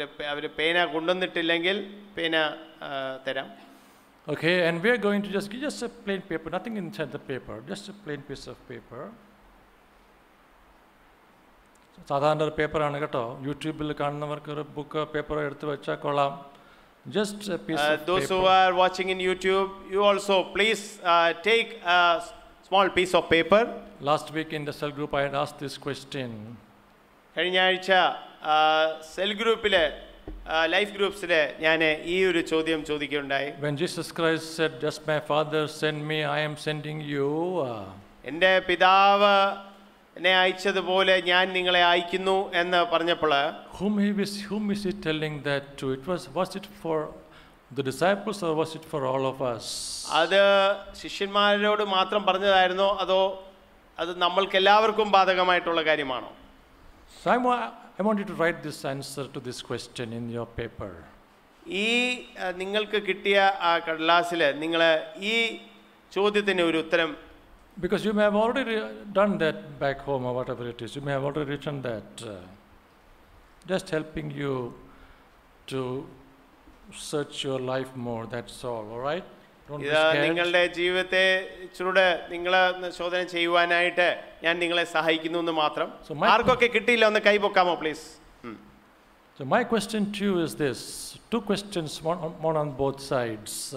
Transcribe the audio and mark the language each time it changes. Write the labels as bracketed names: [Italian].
[Malayalam] അവരെ പേന കൊണ്ടുവന്നിട്ടില്ലെങ്കിൽ പേന തരാം. [English] Okay, and we are going to just give just a plain paper, nothing inside the paper, just a plain piece of paper. [Malayalam] സാധാരണ ഒരു പേപ്പറാണ് കേട്ടോ. യൂട്യൂബിൽ കാണുന്നവർക്ക് ഒരു ബുക്ക് പേപ്പറോ എടുത്ത് വെച്ചാൽ കൊള്ളാം. [English] Just a piece of paper. Those who are watching in YouTube, you also please take a small piece of paper. Last week in the cell group I had asked this question. [Malayalam] കഴിഞ്ഞ ആഴ്ച cell ഗ്രൂപ്പിലെ life ഗ്രൂപ്പ്സിലെ ഞാൻ ഈ ഒരു ചോദ്യം ചോദിക്കുകയുണ്ടായി. [English] When Jesus Christ said, "Just my Father send me, I am sending you." [Malayalam] എൻ്റെ പിതാവ് എന്നെ അയച്ചതുപോലെ ഞാൻ നിങ്ങളെ അയക്കുന്നു എന്ന് പറഞ്ഞപ്പോൾ, [English] whom is he telling that to? Was it for the disciples or was it for all of us? [Malayalam] അത് ശിഷ്യന്മാരോട് മാത്രം പറഞ്ഞതായിരുന്നോ അതോ അത് നമ്മൾക്കെല്ലാവർക്കും ബാധകമായിട്ടുള്ള കാര്യമാണോ? [English] I want you to write this answer to this question in your paper. [Malayalam] ഈ നിങ്ങൾക്ക് കിട്ടിയ ആ കടലാസിൽ നിങ്ങൾ ഈ ചോദ്യത്തിന് ഒരു ഉത്തരം. [English] Because you may have already done that back home or whatever it is, you may have already written that. Just helping you to search your life more, that's all, all right? Don't be scared. [Malayalam] നിങ്ങളുടെ ജീവിതത്തെ ചുരുടെ നിങ്ങളെ ശോധന ചെയ്യുവാനായിട്ട് ഞാൻ നിങ്ങളെ സഹായിക്കുന്നു എന്ന് മാത്രം. ആർക്കൊക്കെ കിട്ടിയില്ല ഒന്ന് കൈ പൊക്കാമോ please. [English] So my question to you is this, two questions, one on both sides.